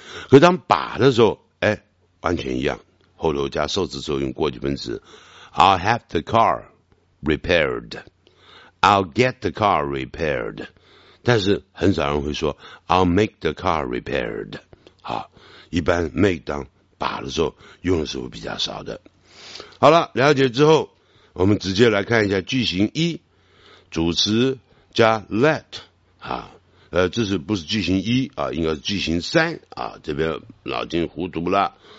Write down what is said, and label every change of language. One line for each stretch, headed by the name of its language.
Chinese: 可当把的时候哎，完全一样，后头加受词之后用过去分词。
English: I'll have the car repaired， I'll get the car repaired，
Chinese: 但是很少人会说
English: I'll make the car repaired。
Chinese: 好，一般 make 当把的时候用的时候比较少的。好了，了解之后我们直接来看一下句型一，主词加 let。这是不是句型一啊？应该是句型三啊，这边脑筋糊涂了。